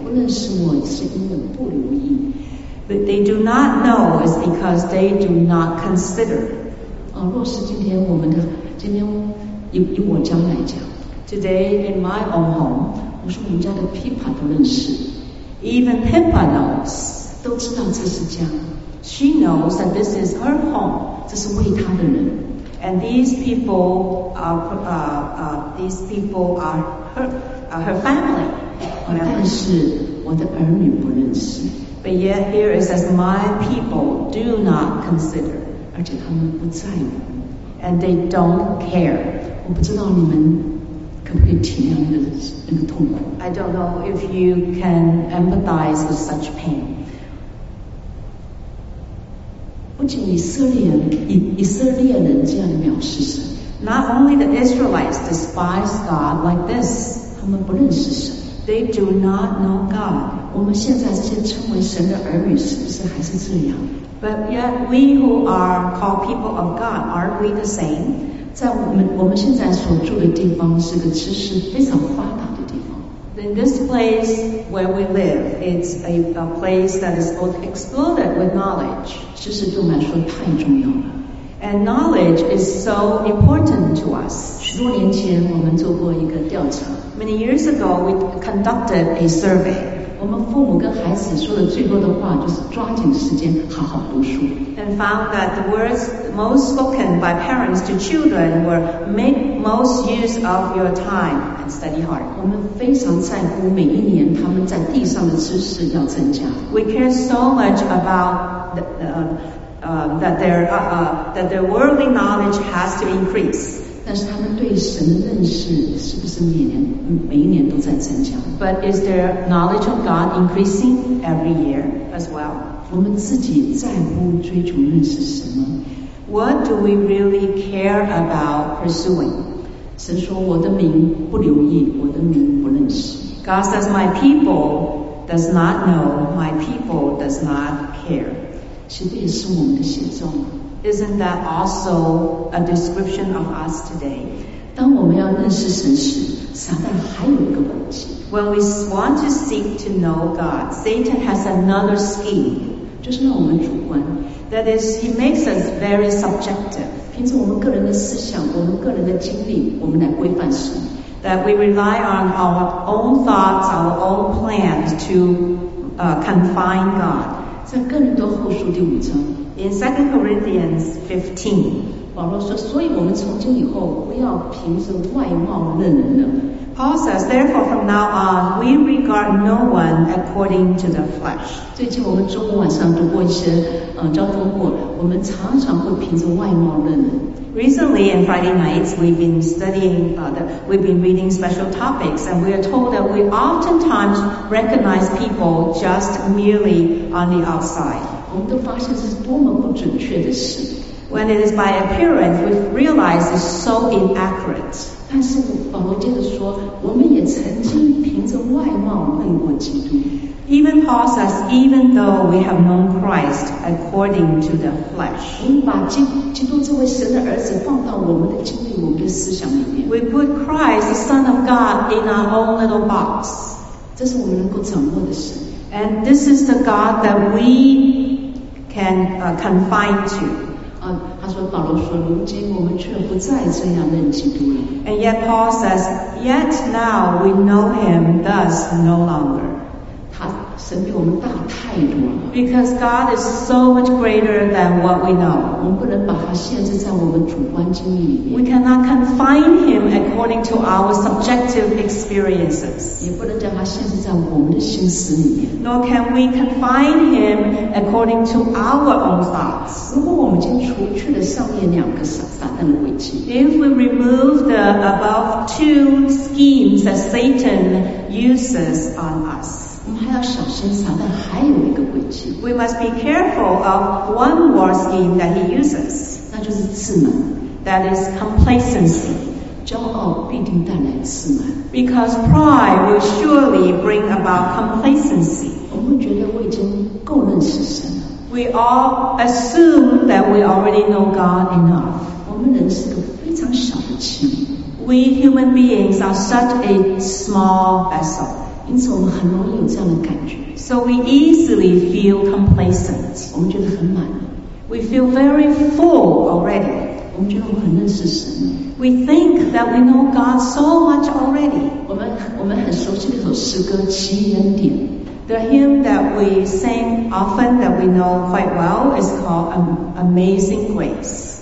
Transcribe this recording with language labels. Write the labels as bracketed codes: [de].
[zh] 不认识我是因为不留意。 [en] But they do not know is because they do not consider. [zh] 若是今天以我家来讲。 [en] Today in my own home. [zh] 我说我们家的 Pippa 不认识。 [en] Even Pippa knows. [zh] 都知道这是家。 [en] She knows that this is her home. [zh] 这是为她的人。 [en] And these people are her family. [zh] 但是我的儿女不认识。 [en] But yet here it says, my people do not consider. [zh] 而且他们不在乎。 [en] And they don't care. [zh] 我不知道你们可不可以体谅那个痛苦。 [en] I don't know if you can empathize with such pain. [zh] 不仅以色列人这样的藐视神 [en] ，Not only the Israelites despise God like this， [zh] 他们不认识神 [en] ，They do not know God。 [zh] 我们现在这些称为神的儿女，是不是还是这样 [en] ？But yet we who are called people of God， aren't we the same？ [zh] 在我们现在所住的地方是个知识非常发达的地方。 [en] The In this place where we live, it's a place that is both exploded with knowledge. [zh] 知识对我们来说太重要了。 [en] And knowledge is so important to us. [zh] 许多年前我们做过一个调查。 [en] Many years ago, we conducted a survey. [zh] 我们父母跟孩子说的最多的话就是抓紧时间好好读书。 [en] And found that the words most spoken by parents to children were make most use of your time and study hard. [zh] 我们非常在乎每一年他们在地上的知识要增加。 [en] We care so much about that their worldly knowledge has to increase. [zh] 但是他们对神的认识是不是每一年都在增加？ [en] But is their knowledge of God increasing every year as well? [zh] 我们自己在乎追求认识什么？ [en] What do we really care about pursuing? [zh] 神说我的名不留意，我的名不认识。 [en] God says my people does not know, my people does not care. [zh] 其实这也是我们的写照。 [en] Isn't that also a description of us today? [zh] 当我们要认识神时，撒旦还有一个诡计。 [en] When we want to seek to know God, Satan has another scheme. [zh] 就是让我们主观。 [en] That is, he makes us very subjective. [zh] 凭着我们个人的思想，我们个人的经历，我们来规范神。 [en] That we rely on our own thoughts, our own plans to confine God. [zh] 在哥林多后书第五章 [en] In 2 Corinthians 15 [zh] 保罗说所以我们从今以后不要凭着外貌认人了 [en] Paul says therefore from now on we regard no one according to the flesh [zh] 最近我们周末晚上读过一些交通过我们常常会凭着外貌认人 [en] Recently on Friday nights we've been studying we've been reading special topics and we are told that we oftentimes recognize people just merelyOn the outside. [zh] 我们都发现这是多么不准确的事。 [en] When it is by appearance, we realize it's so inaccurate. [zh] 但是保罗接着说，我们也曾经凭着外貌认过基督。 [en] Even Paul says, even though we have known Christ according to the flesh, [zh] 我们把基督这位神的儿子放到我们的经历、我们的思想里面。 [en] We put Christ, the Son of God, in our own little box. [zh] 这是我们能够掌握的事。 [en] And this is the God that we can confine to. [zh] 他说保罗说，如今我们却不再这样认基督了。 [en] And yet Paul says, yet now we know him thus no longer. [zh] 他神比我们大太多了。 [en] Because God is so much greater than what we know. [zh] 我们不能把他限制在我们主观经历里面。 [en] We cannot confine him according to our subjective experiences. [zh] 也不能将他限制在我们的心思里面。 [en] Nor can we confine him according to our own thoughts. [zh] 如果我们已经除去了上面两个撒旦的诡计。 [en] If we remove the above two schemes that Satan uses on us. [zh] 我们还要小心，撒旦还有一个诡计。 [en] We must be careful of one more scheme that he uses. [zh] 那就是自满。 [en] That is complacency. [zh] 骄傲必定带来自满。 [en] Because pride will surely bring about complacency. [zh] 我们觉得我已经够认识神了。 [en] We all assume that we already know God enough. [zh] 我们人是个非常小的器皿。 [en] We human beings are such a small vessel. [zh] 因此我们很容易有这样的感觉。 [en] So we easily feel complacent. [zh] 我们觉得很满。 [en] We feel very full already. [zh] 我们觉得我很认识神。 [en] We think that we know God so much already. [zh] 我们很熟悉那首诗歌《奇恩典》。 [en] The hymn that we sing often that we know quite well is called Amazing Grace.